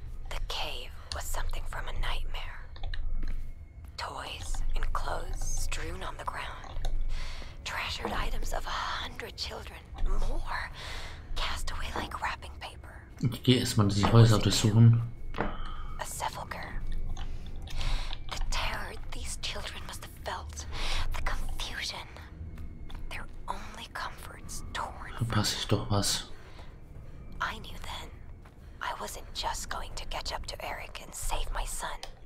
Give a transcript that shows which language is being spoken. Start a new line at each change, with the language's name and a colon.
English: The cave was something from a nightmare. Toys and clothes strewn on the ground. Treasured items of 100 children. More. Cast away like wrapping paper.
German: Ich gehe erstmal die Häuser durchsuchen.
English: A sepulcher. The terror these children must have felt. The confusion. Their only comforts torn.
German: Verpasse ich doch was.
English: I knew then. I wasn't just going to catch up to Eric and save my son.